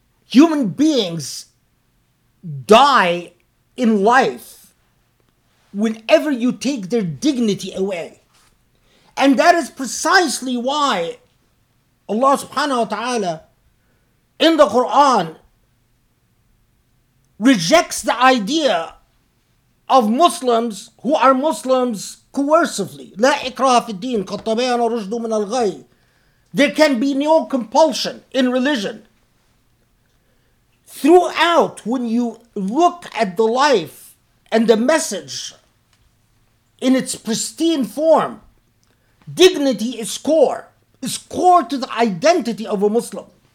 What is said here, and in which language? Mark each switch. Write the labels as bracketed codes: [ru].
[en] Human beings die in life whenever you take their dignity away. And that is precisely why Allah subhanahu wa ta'ala in the Quran rejects the idea of Muslims who are Muslims coercively. [ar] لا إكراه في الدين قد تبين رشد من الغي. [en] There can be no compulsion in religion. Throughout, when you look at the life and the message in its pristine form, dignity is core to the identity of a Muslim.